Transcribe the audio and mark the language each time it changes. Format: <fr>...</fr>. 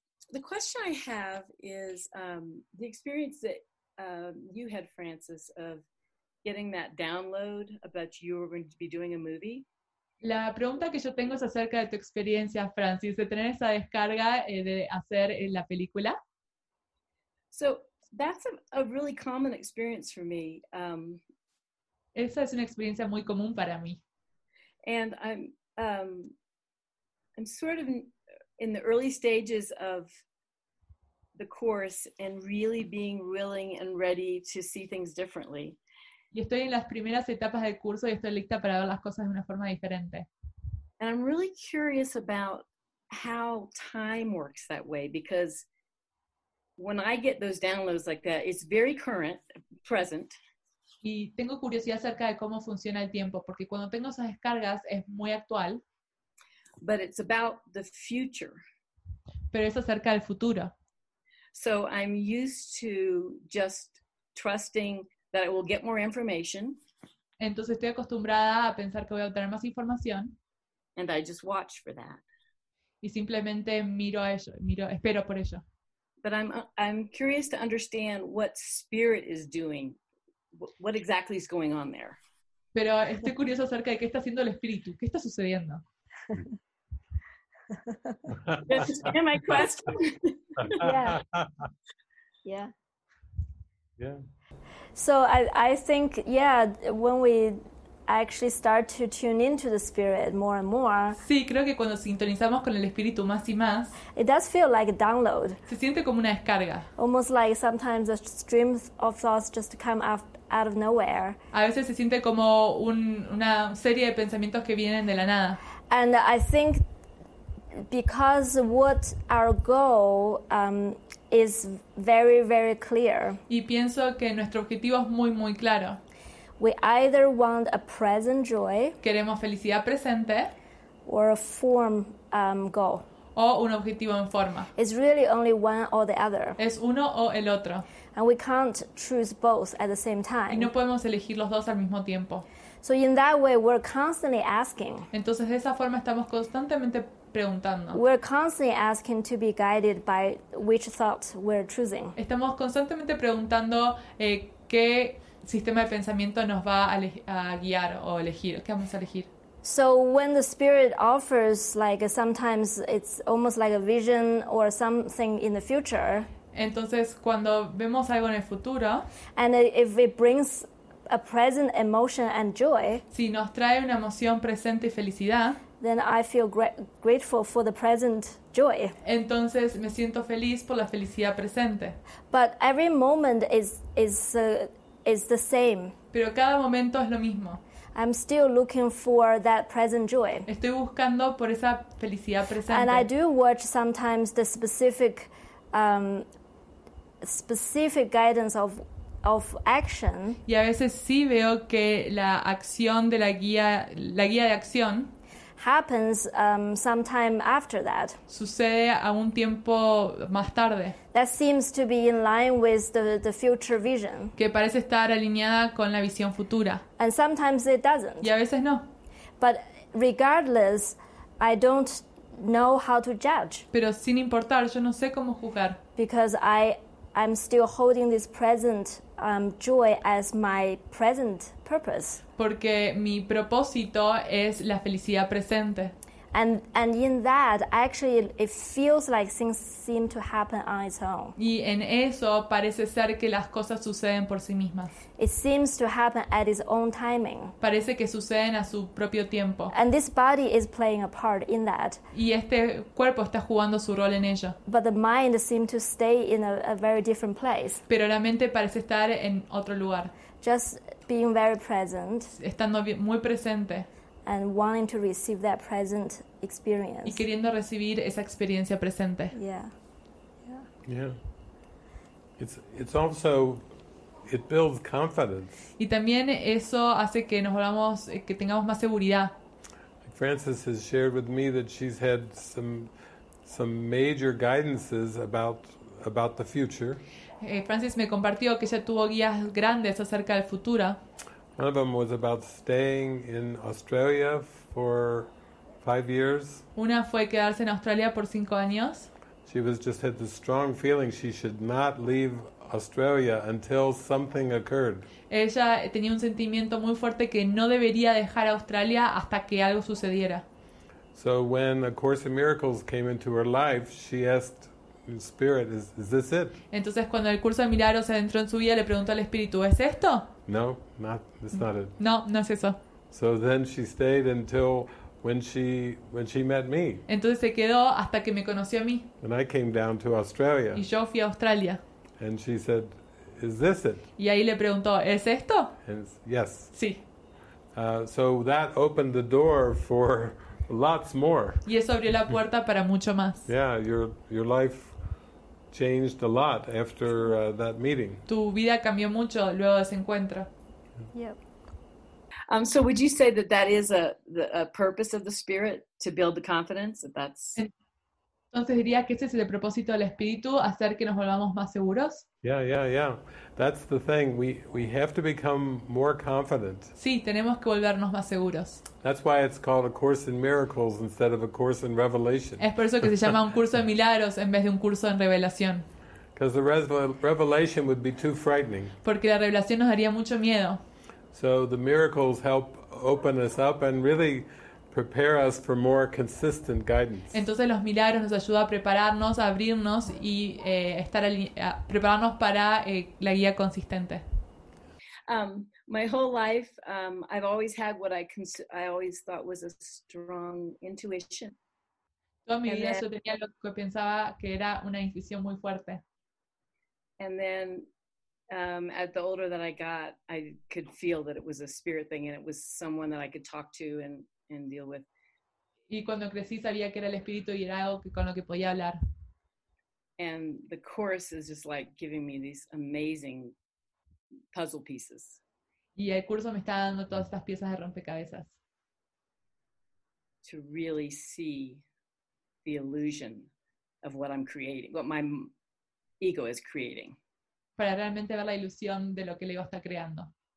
<en>The question I have is the experience that you had, Francis, of getting that download about you were going to be doing a movie.</en> <es>La pregunta que yo tengo es acerca de tu experiencia, Francis, de tener esa descarga de hacer la película.</es> <en>So, that's a really common experience for me.</en> <es>Esa es una experiencia muy común para mí.</es> <en>And I'm sort of in the early stages of the course and really being willing and ready to see things differently.</en> <es>Y estoy en las primeras etapas del curso y estoy lista para ver las cosas de una forma diferente.</es> <en>And I'm really curious about how time works that way, because when I get those downloads like that, it's very current, present.</en> <es>Y tengo curiosidad acerca de cómo funciona el tiempo, porque cuando tengo esas descargas es muy actual.</es> <en>But it's about the future.</en> <es>Pero es acerca del futuro.</es> <en>So I'm used to just trusting that I will get more information.</en> <es>Entonces estoy acostumbrada a pensar que voy a obtener más información.</es> <en>And I just watch for that.</en> <es>Y simplemente miro a ello, espero por ello.</es> <en>But I'm curious to understand what spirit is doing, what exactly is going on there.</en> <es>Pero estoy curioso acerca de qué está haciendo el espíritu, qué está sucediendo.</es> <en>Does this answer my question? So I think when we actually start to tune into the spirit more and more.</en> <es>Sí, creo que cuando sintonizamos con el espíritu más y más.</es> <en>It does feel like a download.</en> <es>Se siente como una descarga.</es> <en>Almost like sometimes a stream of thoughts just come out of nowhere.</en> <es>A veces se siente como una serie de pensamientos que vienen de la nada.</es> <en>And I think because what our goal is very very clear.</en> <es>Y pienso que nuestro objetivo es muy muy claro.</es> <en>We either want a present joy.</en> <es>Queremos felicidad presente.</es> <en>Or a form goal.</en> <es>O un objetivo en forma.</es> <en>It's really only one or the other.</en> <es>Es uno o el otro.</es> <en>And we can't choose both at the same time.</en> <es>Y no podemos elegir los dos al mismo tiempo.</es> <en>So in that way we're constantly asking.</en> <es>Entonces de esa forma estamos constantemente preguntando.</es> <en>We're constantly asking to be guided by which thought we're choosing.</en> <es>Estamos constantemente preguntando qué sistema de pensamiento nos va a guiar o elegir, ¿qué vamos a elegir?</es> <en>So when the spirit offers, like sometimes it's almost like a vision or something in the future.</en> <es>Entonces cuando vemos algo en el futuro.</es> <en>And if it brings a present emotion and joy.</en> <es>Si nos trae una emoción presente y felicidad.</es> <en>Then I feel grateful for the present joy.</en> <es>Entonces me siento feliz por la felicidad presente.</es> <en>But every moment is the same.</en> <es>Pero cada momento es lo mismo.</es> <en>I'm still looking for that present joy.</en> <es>Estoy buscando por esa felicidad presente.</es> <en>And I do watch sometimes the specific guidance of of action.</en> <es>Y a veces sí veo que la acción de la guía de acción</es> <en>happens sometime after that.</en> <es>Sucede a un tiempo más tarde.</es> <en>That seems to be in line with the future vision.</en> <es>Que parece estar alineada con la visión futura.</es> <en>And sometimes it doesn't.</en> <es>Y a veces no.</es> <en>But regardless, I don't know how to judge.</en> <es>Pero sin importar, yo no sé cómo juzgar.</es> <en>Because I'm still holding this present joy as my present purpose.</en> <es>Porque mi propósito es la felicidad presente.</es> <en>And in that, actually, it feels like things seem to happen on its own.</en> <es>Y en eso parece ser que las cosas suceden por sí mismas.</es> <en>It seems to happen at its own timing.</en> <es>Parece que suceden a su propio tiempo.</es> <en>And this body is playing a part in that.</en> <es>Y este cuerpo está jugando su rol en ello.</es> <en>But the mind seems to stay in a very different place.</en> <es>Pero la mente parece estar en otro lugar.</es> <en>Just being very present.</en> <es>Estando muy presente.</es> <en>And wanting to receive that present experience.</en> <es>Y queriendo recibir esa experiencia presente.</es> <en>Yeah. It's also it builds confidence.</en> <es>Y también eso hace que nos volvamos que tengamos más seguridad.</es> <en>Frances has shared with me that she's had some major guidances about the future.</en> <es>Frances me compartió que ella tuvo guías grandes acerca del futuro.</es> <en>One of them was about staying in Australia for 5 years.</en> <es>Una fue quedarse en Australia por 5 años.</es> <en>She was just had the strong feeling she should not leave Australia until something occurred.</en> <es>Ella tenía un sentimiento muy fuerte que no debería dejar Australia hasta que algo sucediera.</es> <en>So when A Course in Miracles came into her life, she asked Spirit, "Is this it?"</en> <es>Entonces cuando el curso de milagros entró en su vida, le preguntó al Espíritu, ¿es esto?</es> <en>No, not it's not it.</en> <es>No, no es eso.</es> <en>So then she stayed until when she met me.</en> <es>Entonces se quedó hasta que me conoció a mí.</es> <en>And I came down to Australia.</en> <es>Y yo fui a Australia.</es> <en>And she said, "Is this it?"</en> <es>Y ahí le preguntó, ¿es esto?</es> <en>And yes.</en> <es>Sí.</es> <en>So that opened the door for lots more.</en> <es>Y eso abrió la puerta para mucho más.</es> <en>Yeah, your life changed a lot after that meeting.</en> <es>Tu vida cambió mucho luego de ese encuentro.</es> <en>Yep. So would you say that is a purpose of the spirit to build the confidence? That's</en> <es>Entonces diría que ese es el propósito del espíritu, hacer que nos volvamos más seguros?</es> <en>Yeah. That's the thing. We have to become more confident.</en> <es>Sí, tenemos que volvernos más seguros.</es> <en>That's why it's called A Course in Miracles instead of A Course in Revelation.</en> <es>Es por eso que se llama Un Curso de Milagros en vez de Un Curso en Revelación.</es> <en>Because the revelation would be too frightening.</en> <es>Porque la revelación nos daría mucho miedo.</es> <en>So the miracles help open us up and really prepare us for more consistent guidance.</en> <es>Entonces los milagros nos ayuda a prepararnos, a abrirnos y prepararnos para la guía consistente.</es> <en>My whole life I've always had what I always thought was a strong intuition.</en> <es>Toda mi vida yo tenía lo que pensaba que era una intuición muy fuerte.</es> <en>And then at the older that I got, I could feel that it was a spirit thing and it was someone that I could talk to and deal with.</en> <es>Y cuando crecí sabía que era el espíritu y era algo que, con lo que podía hablar.</es> <en>And the course is just like giving me these amazing puzzle pieces.</en> <es>Y el curso me está dando todas estas piezas de rompecabezas.</es> <en>To really see the illusion of what I'm creating, what my ego is creating.</en> <es>Para realmente ver la ilusión de lo que el ego está creando.</es>